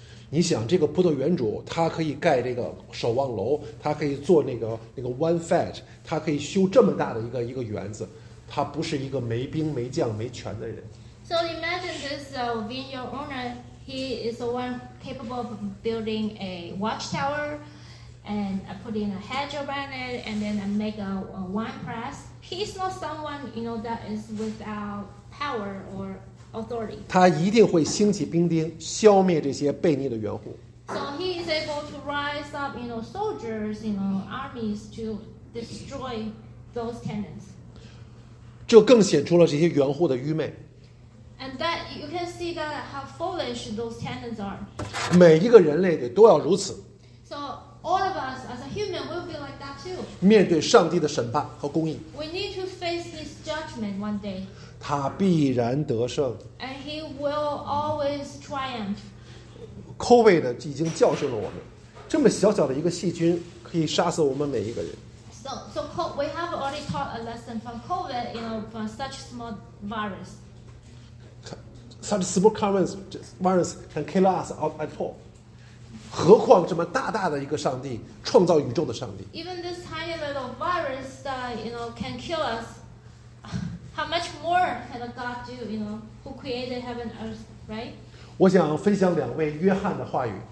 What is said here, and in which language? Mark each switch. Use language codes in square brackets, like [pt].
[zh] 你想这个葡萄园主，他可以盖这个守望楼，他可以做那个 [en] one fat， [zh] 他可以修这么大的一个园子，他不是一个没兵没将没权的人。 [en] So imagine this vineyard owner. He is the one capable of building a watchtower and putting a hedge around it, and then make a wine press. He is not someone, you know, that is without power or authority. [zh] 他一定会兴起兵丁，消灭这些悖逆的园户。 [en] So he is able to rise up, you know, soldiers, you know, armies to destroy those tenants. [zh] 这更显出了这些园户的愚昧。 [en] And that you can see that how foolish those tenants are. [zh] 每一个人类的都要如此。 [en] So all of us as a human will be like that too. [zh] 面对上帝的审判和公义。 [en] We need to face this judgment one day. [zh] 他必然得胜。 [en] And he will always triumph. [zh] COVID 已经教训了我们，这么小小的一个细菌可以杀死我们每一个人。 [en] So we have already taught a lesson from COVID, you know, from such small virus. Such small comments, virus can kill us at all. [zh] 何况这么大大的一个上帝，创造宇宙的上帝。 [en] Even this tiny little virus that you know can kill us, how much more can a God do? You know, who created heaven and earth, right? [zh] 我想分享两位约翰的话语。